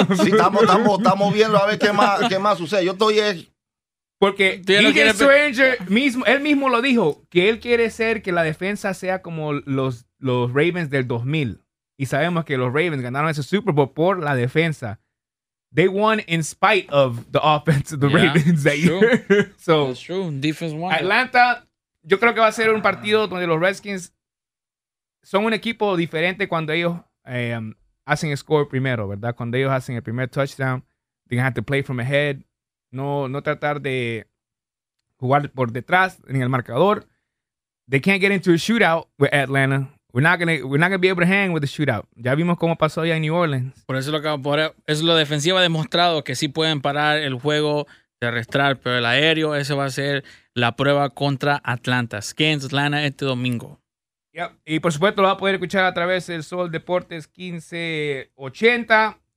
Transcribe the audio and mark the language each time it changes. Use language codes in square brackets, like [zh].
[es] Sí, estamos viendo a ver qué más sucede. Yo estoy... Porque DJ Stranger mismo, él mismo lo dijo, que él quiere ser que la defensa sea como los Ravens del 2000. Y sabemos que los Ravens ganaron ese Super Bowl por la defensa. [en] They won in spite of the offense of the Ravens that year. So, that's true. Defense won. [es] Atlanta, yo creo que va a ser un partido donde los Redskins son un equipo diferente cuando ellos hacen el score primero, ¿verdad? Cuando ellos hacen el primer touchdown, [en] they're going to have to play from ahead. [es] No tratar de jugar por detrás en el marcador. [en] They can't get into a shootout with Atlanta. We're not gonna be able to hang with the shootout. [es] Ya vimos cómo pasó ya en New Orleans. Por eso la defensiva ha demostrado que sí pueden parar el juego terrestral, pero el aéreo, ese va a ser la prueba contra Atlanta. Skins Atlanta este domingo. Yep. Y por supuesto lo va a poder escuchar a través del Sol Deportes 1580.